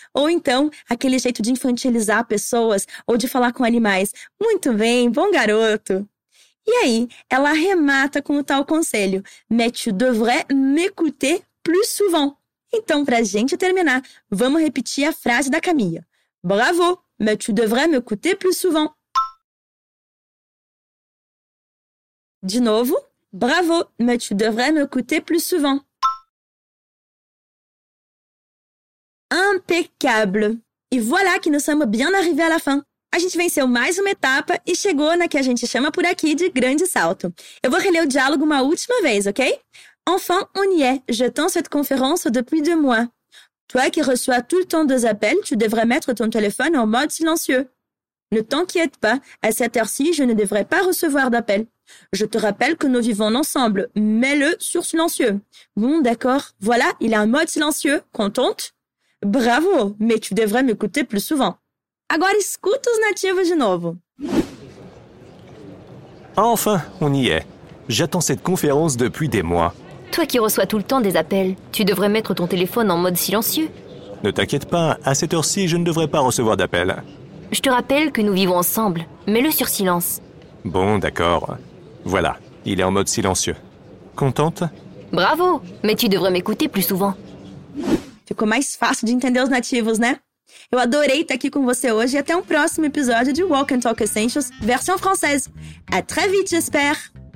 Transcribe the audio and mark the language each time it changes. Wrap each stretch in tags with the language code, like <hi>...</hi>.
<pt>Ou então, aquele jeito de infantilizar pessoas ou de falar com animais, muito bem, bom garoto. E aí, ela arremata com o tal conselho,</pt> <fr>mais tu devrais m'écouter plus souvent.</fr> <pt>Então, para a gente terminar, vamos repetir a frase da Camille.</pt> <fr>Bravo, mais tu devrais m'écouter plus souvent.</fr> <pt>De novo.</pt> <fr>Bravo, mais tu devrais m'écouter plus souvent. Impeccable. E voilà que nous sommes bien arrivés à la fin.</fr> <pt>A gente venceu mais uma etapa e chegou na que a gente chama por aqui de grande salto. Eu vou reler o diálogo uma última vez, ok?</pt> <fr>Enfin, on y est. J'attends cette conférence depuis deux mois. Toi qui reçois tout le temps des appels, tu devrais mettre ton téléphone en mode silencieux. Ne t'inquiète pas, à cette heure-ci, je ne devrais pas recevoir d'appel. Je te rappelle que nous vivons ensemble. Mets-le sur silencieux. Bon, d'accord. Voilà, il est en mode silencieux. Contente? Bravo, mais tu devrais m'écouter plus souvent.</fr> <pt>Agora escuta os nativos de novo.</pt> <fr>Enfin, on y est. J'attends cette conférence depuis des mois. Toi qui reçois tout le temps des appels, tu devrais mettre ton téléphone en mode silencieux. Ne t'inquiète pas, à cette heure-ci, je ne devrais pas recevoir d'appel. Je te rappelle que nous vivons ensemble. Mets-le sur silence. Bon, d'accord. Voilà, il est en mode silencieux. Contente? Bravo, mais tu devrais m'écouter plus souvent.</fr> <pt>Ficou mais fácil de entender os nativos, né? Eu adorei estar aqui com você hoje e até um próximo episódio de Walk and Talk Essentials, versão francesa.</pt> <fr>À très vite, j'espère!</fr>